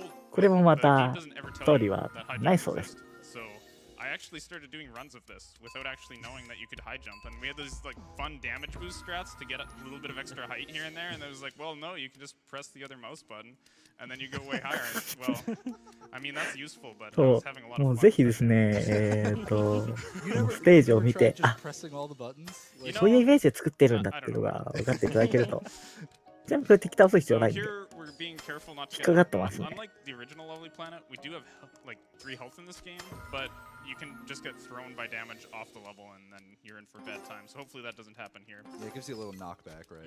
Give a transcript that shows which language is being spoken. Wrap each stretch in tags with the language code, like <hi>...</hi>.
<ja>これもまたストーリーはないそうです。</ja> <en>I actually started doing runs of this without actually knowing that you could high jump, and we had these like fun damage boost strats to get a little bit of extra height here and there. And I was like, well, no, you can just press the other mouse button, and then you go way higher. Well, I mean that's useful, but I was having a lot of fun.</en> <ja>もうぜひですね、ステージを見て、あ、そういうイメージで作ってるんだっていうのが分かっていただけると、全部敵倒す必要ないんで。</ja> <en>being careful not to get hurt. Unlike the original Lovely Planet, we do have like 3 health in this game, but you can just get thrown by damage off the level and then you're in for bad time. So hopefully that doesn't happen here. Yeah, it gives you a little knockback, right?</en>